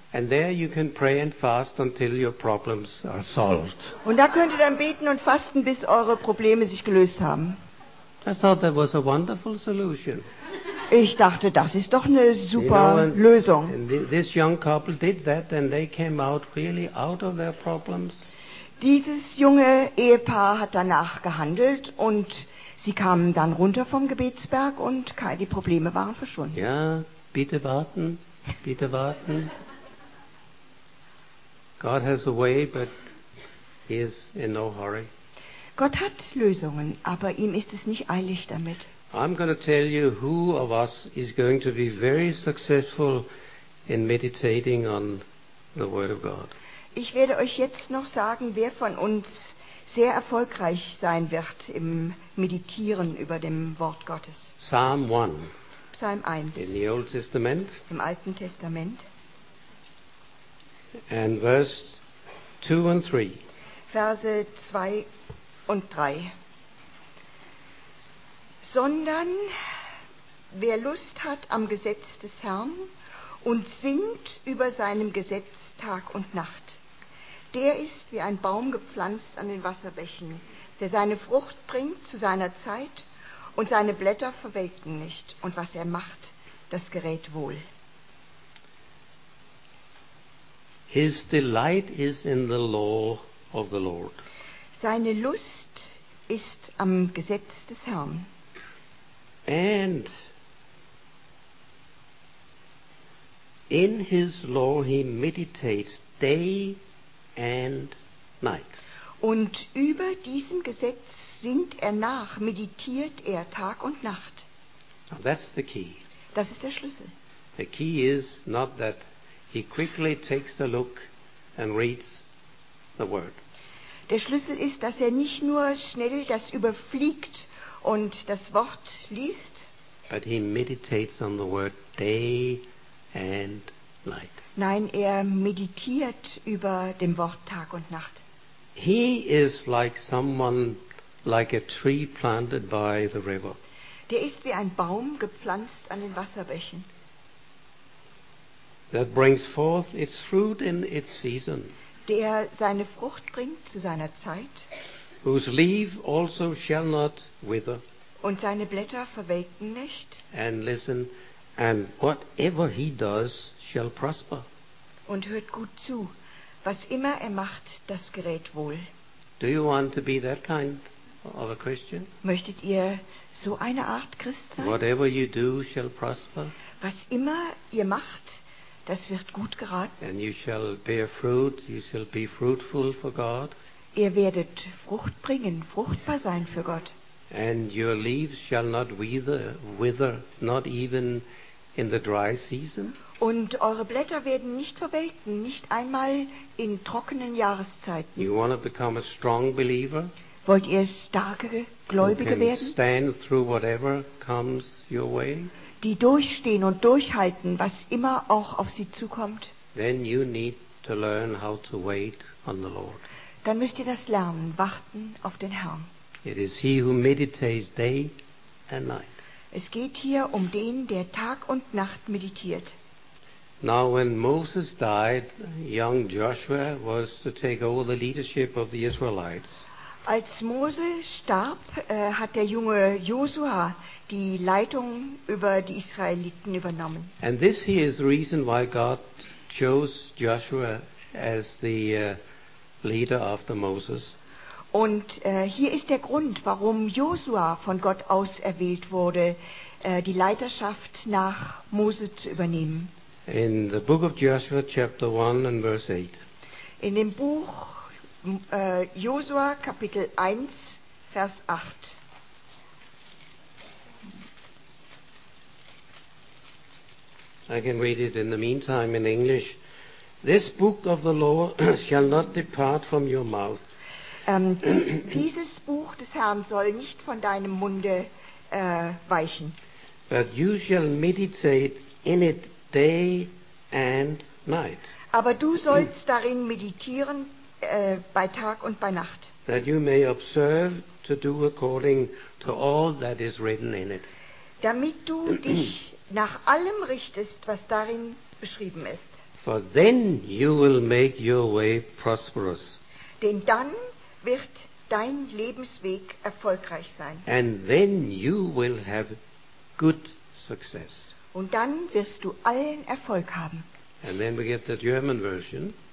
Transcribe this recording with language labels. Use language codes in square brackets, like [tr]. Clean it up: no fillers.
[en] And there you can pray and fast until your problems are solved. [de] Und da könnt ihr dann beten und fasten, bis eure Probleme sich gelöst haben. [en] I thought that was a wonderful solution. [de] Ich dachte, das ist doch eine super, [en] you know, and [de] Lösung. [en] This young couple did that and they came out really out of their problems. [de] Dieses junge Ehepaar hat danach gehandelt und sie kamen dann runter vom Gebetsberg und die Probleme waren verschwunden. Ja, bitte warten, bitte warten. [en] God has a way, but he is in no hurry. [de] Gott hat Lösungen, aber ihm ist es nicht eilig damit. [en] I'm going to tell you who of us is going to be very successful in meditating on the Word of God. [de] Ich werde euch jetzt noch sagen, wer von uns sehr erfolgreich sein wird im Meditieren über dem Wort Gottes. [en] Psalm 1. [de] Psalm 1. [en] In the Old Testament. [de] Im Alten Testament. [en] And verse 2 and 3. [de] Verse 2 und 3. Sondern wer Lust hat am Gesetz des Herrn und singt über seinem Gesetz Tag und Nacht, der ist wie ein Baum gepflanzt an den Wasserbächen, der seine Frucht bringt zu seiner Zeit und seine Blätter verwelken nicht. Und was er macht, das gerät wohl. [en] His delight is in the law of the Lord. [de] Seine Lust ist am Gesetz des Herrn. [en] And in his law he meditates day and night. [de] Und über diesem Gesetz singt er nach, meditiert er Tag und Nacht. [en] Now that's the key. [de] Das ist der Schlüssel. [en] The key is not that he quickly takes a look and reads the word. [de] Der Schlüssel ist, dass er nicht nur schnell das überfliegt und das Wort liest, [en] but he meditates on the word day and night. [de] Nein, er meditiert über dem Wort Tag und Nacht. [en] He is like someone, like a tree planted by the river. [de] Der ist wie ein Baum gepflanzt an den Wasserbächen. [en] That brings forth its fruit in its season. [de] Der seine Frucht bringt zu seiner Zeit. [en] Whose leaf also shall not wither. [de] Und seine Blätter verwelken nicht. [en] And listen, and whatever he does shall prosper. [de] Und hört gut zu, was immer er macht, das gerät wohl. [en] Do you want to be that kind of a Christian? [de] Möchtet ihr so eine Art Christ sein? [en] Whatever you do shall prosper. [de] Was immer ihr macht, das wird gut geraten. [en] And you shall bear fruit, you shall be fruitful for God. [de] Ihr werdet Frucht bringen, fruchtbar sein für Gott. [en] And your leaves shall not wither, not even in the dry season. [de] Und eure Blätter werden nicht verwelken, nicht einmal in trockenen Jahreszeiten. [en] You want to become a strong believer? [de] Wollt ihr starke Gläubige werden? [en] Stand through whatever comes your way? [de] Die durchstehen und durchhalten, was immer auch auf sie zukommt. [en] Then you need to learn how to wait on the Lord. [de] Dann müsst ihr das lernen, warten auf den Herrn. [en] It is he who meditates day and night. [de] Es geht hier um den, der Tag und Nacht meditiert. [en] Now when Moses died, young Joshua was to take over the leadership of the Israelites. [de] Als Mose starb, hat der junge Josua die Leitung über die Israeliten übernommen. [en] And this here is the reason why God chose Joshua as the leader after Moses. [de] Und hier ist der Grund, warum Josua von Gott auserwählt wurde, die Leiterschaft nach Mose zu übernehmen. [en] In the book of Joshua, chapter 1 and verse 8. [de] In dem Buch Josua, Kapitel 1, Vers 8. [en] I can read it in the meantime in English. This book of the law shall not depart from your mouth. [de] Dieses Buch des Herrn soll nicht von deinem Munde weichen. [en] But you shall meditate in it day and night. [de] Aber du sollst darin meditieren bei Tag und bei Nacht. [en] That you may observe to do according to all that is written in it. [de] Damit du dich nach allem richtest, was darin beschrieben ist. [en] For then you will make your way prosperous. [de] Denn dann wird dein Lebensweg erfolgreich sein. [en] And then you will have good success. [de] Und dann wirst du allen Erfolg haben. [en] And then we get the German version.